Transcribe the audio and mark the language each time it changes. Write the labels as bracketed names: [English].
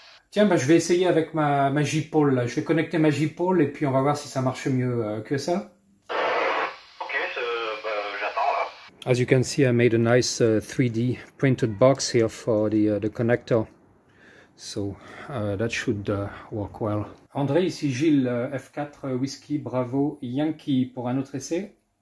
[French] Tiens, ben, je vais essayer avec ma J-Pole. Je vais connecter ma J-Pole et puis on va voir si ça marche mieux que ça. Ok, j'attends. [English] As you can see, I made a nice 3D printed box here for the connector. So that should work well. [French] André, ici Gilles, F4 Whiskey, Bravo Yankee, pour un autre essai.